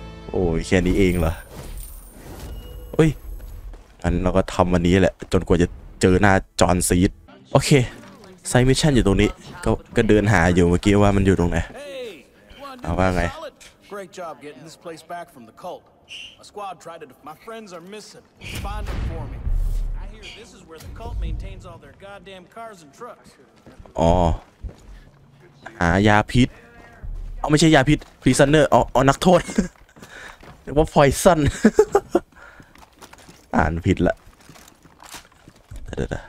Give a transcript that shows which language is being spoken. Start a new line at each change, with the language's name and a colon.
Thai: โอ้ยแค่นี้เองเหรอเฮ้ยงั้นเราก็ทำวันนี้แหละจนกว่าจะเจอหน้าจอห์นซีดโอเคไซมิชชั่นอยู่ตรงนี้ก็เดินหาอยู่เมื่อกี้ว่ามันอยู่ตรงไหนเอาว่าไง
English: Great job getting this place back from the cult. My squad tried it. My friends are missing. Find them for me. I hear this is where the cult maintains all their goddamn cars and trucks.
Thai: หายาพิษเอาไม่ใช่ยาพิษ Prisoner นักโทษเรียกว่าพอยซันอ่านผิดละเดี๋ยว